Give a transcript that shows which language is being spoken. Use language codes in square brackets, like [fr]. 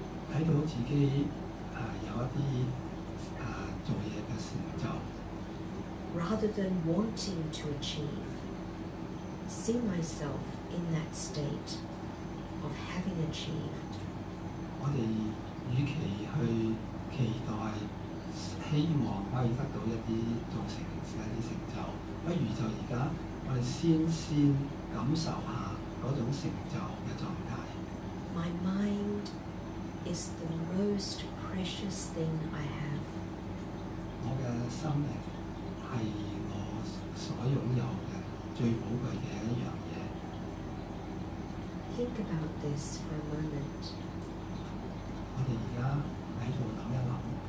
[yue] 睇到自己有一啲做嘢嘅成就。 [en] Rather than wanting to achieve, see myself in that state of having achieved. [yue] 我哋與其去期待希望可以得到一啲做成一啲成就，不如就而家我哋先感受下嗰種成就嘅狀態。 [en] My mind is the most precious thing I have. [yue] 我嘅心靈係我所擁有嘅最寶貴嘅一樣嘢。 [en] Think about this for a moment. [yue] 我哋而家喺度諗一諗。